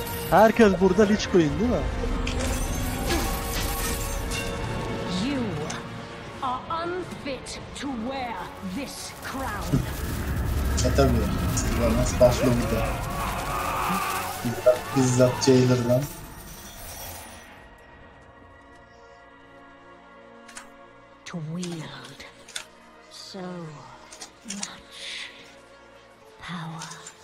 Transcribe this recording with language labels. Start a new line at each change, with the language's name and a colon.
Turkish: Herkes burada Lich Queen değil mi?
English: You are unfit to wear this crown.
Turkish: E tabi, Zilvanas başlı burada. Bizzat Jailer'dan.
English: To wield so much power.